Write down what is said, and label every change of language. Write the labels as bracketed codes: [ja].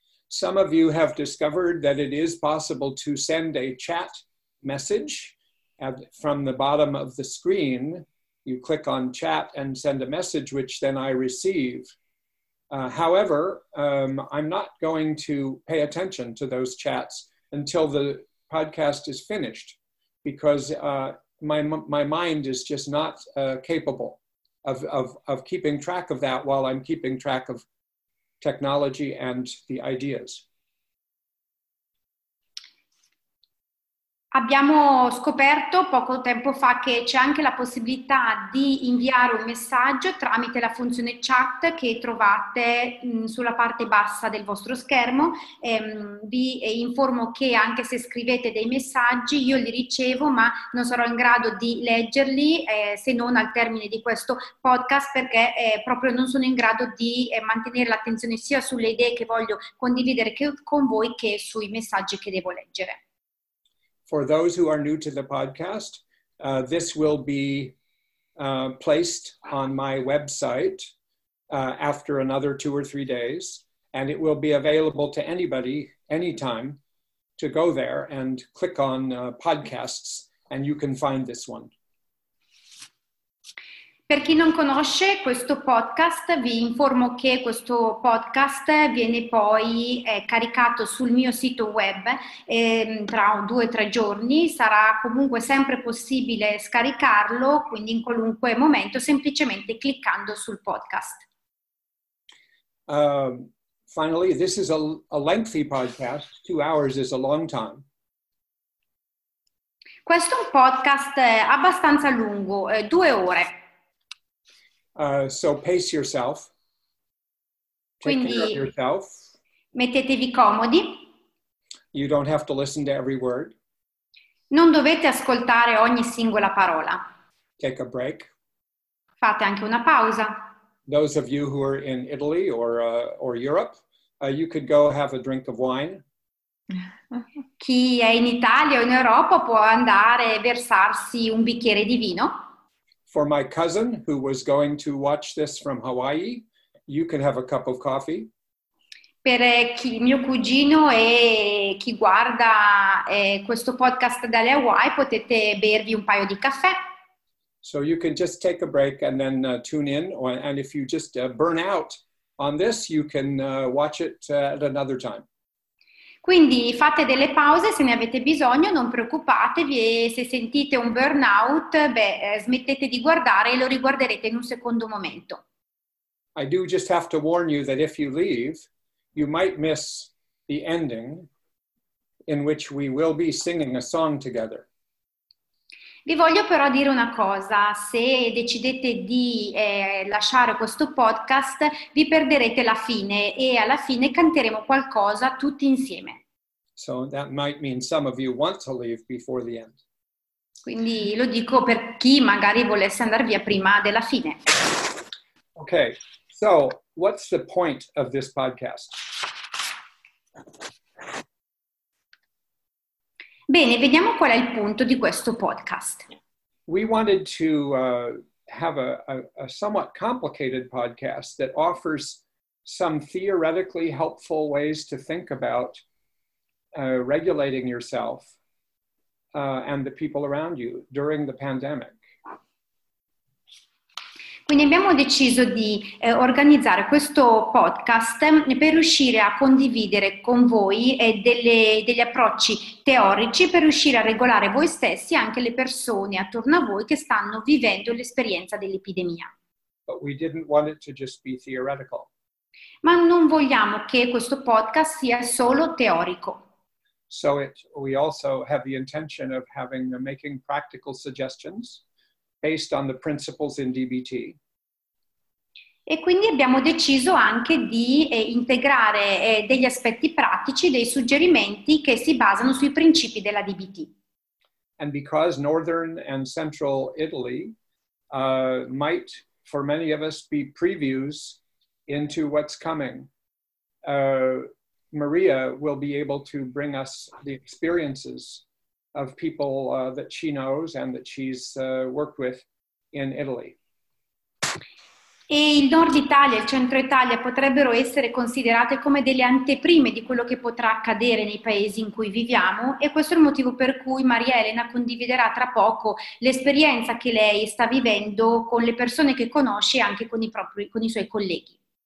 [en] Some of you have discovered that it is possible to send a chat message from the bottom of the screen. You click on chat and send a message, which then I receive. However, I'm not going to pay attention to those chats until the podcast is finished, because my mind is just not capable of keeping track of that while I'm keeping track of technology and the ideas. [it] Abbiamo scoperto poco tempo fa che c'è anche la possibilità di inviare un messaggio tramite la funzione chat che trovate sulla parte bassa del vostro schermo. Vi informo che anche se scrivete dei messaggi, io li ricevo, ma non sarò in grado di leggerli se non al termine di questo podcast, perché proprio non sono in grado di mantenere l'attenzione sia sulle idee che voglio condividere con voi che sui messaggi che devo leggere. [en] For those who are new to the podcast, this will be placed on my website after another 2 or 3 days, and it will be available to anybody, anytime, to go there and click on podcasts, and you can find this one. [it] Per chi non conosce questo podcast, vi informo che questo podcast viene poi caricato sul mio sito web tra 2 o 3 giorni. Sarà comunque sempre possibile scaricarlo, quindi in qualunque momento, semplicemente cliccando sul podcast. [en] Finally, this is a lengthy podcast. 2 hours is a long time. [it] Questo è un podcast abbastanza lungo, 2 ore. [en] So pace yourself. [it] Quindi, [en] take care of yourself. [it] Mettetevi comodi. [en] You don't have to listen to every word. [it] Non dovete ascoltare ogni singola parola. [en] Take a break. [it] Fate anche una pausa. [en] Those of you who are in Italy or Europe, you could go have a drink of wine. [it] Chi è in Italia o in Europa può andare e versarsi un bicchiere di vino. [en] For my cousin who was going to watch this from Hawaii, you can have a cup of coffee. [it] Per chi, mio cugino e chi guarda questo podcast dalle Hawaii, potete bervi un paio di caffè. [en] So you can just take a break and then tune in, and if you just burn out on this, you can watch it at another time. [it] Quindi fate delle pause se ne avete bisogno, non preoccupatevi, e se sentite un burnout, smettete di guardare e lo riguarderete in un secondo momento. [en] I do just have to warn you that if you leave, you might miss the ending, in which we will be singing a song together. [it] Vi voglio però dire una cosa, se decidete di lasciare questo podcast, vi perderete la fine e alla fine canteremo qualcosa tutti insieme. [en] So that might mean some of you want to leave before the end. [it] Quindi lo dico per chi magari volesse andare via prima della fine. [en] Okay, so what's the point of this podcast? [it] Bene, vediamo qual è il punto di questo podcast. [en] We wanted to have a somewhat complicated podcast that offers some theoretically helpful ways to think about regulating yourself and the people around you during the pandemic. [it] Quindi abbiamo deciso di organizzare questo podcast per riuscire a condividere con voi degli approcci teorici per riuscire a regolare voi stessi e anche le persone attorno a voi che stanno vivendo l'esperienza dell'epidemia. [en] But we didn't want it to just be theoretical. [it] Ma non vogliamo che questo podcast sia solo teorico. [en] So we also have the intention of making practical suggestions based on the principles in DBT. [it] E quindi abbiamo deciso anche di integrare degli aspetti pratici, dei suggerimenti che si basano sui principi della DBT. [en] And because Northern and Central Italy might, for many of us, be previews into what's coming, Maria will be able to bring us the experiences of people that she knows and that she's worked with in Italy. [it] E il Nord Italia e il Centro Italia potrebbero essere considerate come delle anteprime di quello che potrà accadere nei paesi in cui viviamo, e questo è il motivo per cui Maria Elena condividerà tra poco l'esperienza che lei sta vivendo con le persone che conosce e anche con i suoi colleghi.